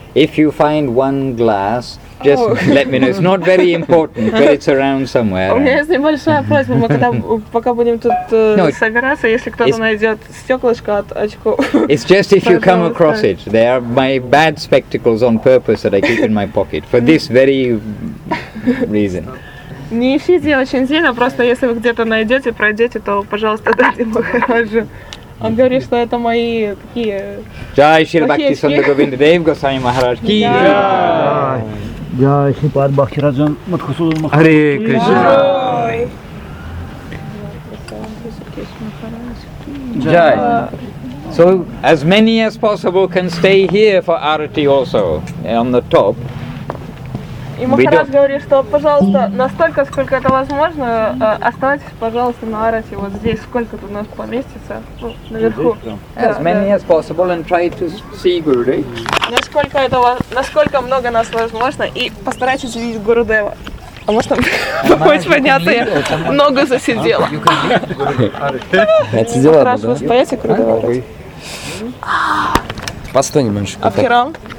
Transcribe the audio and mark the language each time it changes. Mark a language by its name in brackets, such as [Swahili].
[English] If you find one glass, just let me know. It's not very important, but it's around somewhere. [Russian] У меня есть небольшая просьба. Мы пока будем тут собираться, если кто-то найдет стеклышко от очков. [English] It's just if you come across it. They are my bad spectacles on purpose that I keep in my pocket for this very reason. [Russian] Не ищите очень сильно, просто если вы где-то найдете, пройдете, то, пожалуйста, дайте мне. Он говорит, что это мои такие... Джай Шри Бхакти Сунда Говинда Дев Госвами Махарадж Ки. Джай! Джай Шри Пад Бхакти Раджан Матхусуда Махарадж. Харе Кришна! Джай! [English] Джай! So, as many as possible can stay here for arati also, on the top. [Russian] И Махарадж говорит, что, пожалуйста, настолько, сколько это возможно, оставайтесь, пожалуйста, на арате вот здесь, сколько тут у нас поместится, наверху. [English] As many as possible and try to see Gurudev. [Russian] Насколько это, насколько много нас возможно, и постарайтесь видеть Гурудева. А может, там хоть понятно, я ногу засидела. Это дело, да? Вы споете Гурудева? Постой немножко. А в хирам?